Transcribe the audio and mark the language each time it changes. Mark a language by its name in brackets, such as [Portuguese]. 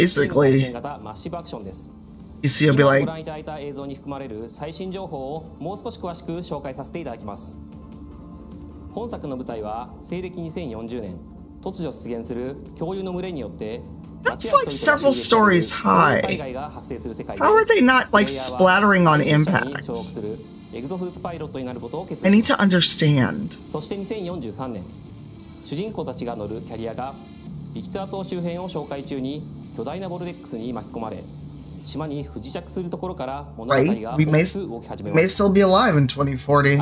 [English] Basically, [Japanese] 型マッシブアクションです。今ご覧いただいた映像に含まれる最新情報をもう少し詳しく紹介させていただきます。本作の舞台は西暦2040年、突如出現する恐竜の群れによって。 [English] That's like several stories high. How are they not like splattering on impact? I need to understand. [Japanese] そして2043年、主人公たちが乗るキャリアがビキター島周辺を紹介中に巨大なボルデックスに巻き込まれ、島に不時着するところから物語が動き始めます。 [English] We may still be alive in 2040.